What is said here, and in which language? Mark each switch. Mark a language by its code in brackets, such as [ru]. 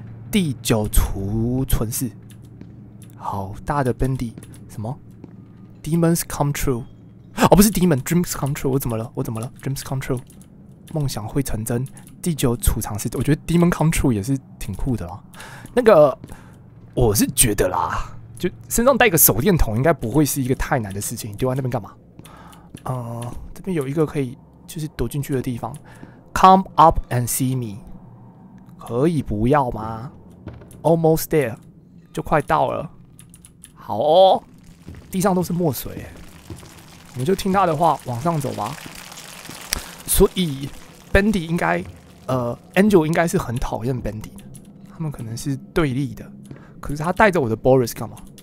[zh] 第九储存室，好大的 Bendy， 什么 ？ [en] Demons come true， [zh] 哦，不是 Demon， [en] Dreams come true， [zh] 我怎么了 ？Dreams come true， 梦想会成真。第九储藏室，我觉得 [en] Demon come true [zh] 也是挺酷的啦。那个，我是觉得啦，就身上带个手电筒应该不会是一个太难的事情。你丢在那边干嘛？这边有一个可以就是躲进去的地方。 [en] Come up and see me， [zh] 可以不要吗 ？ [en] Almost there， [zh] 就快到了。好哦，地上都是墨水，我们就听他的话往上走吧。所以 Bendy 应该，Angel 应该是很讨厌 Bendy 的。他们可能是对立的，可是他带着我的 Boris 干嘛？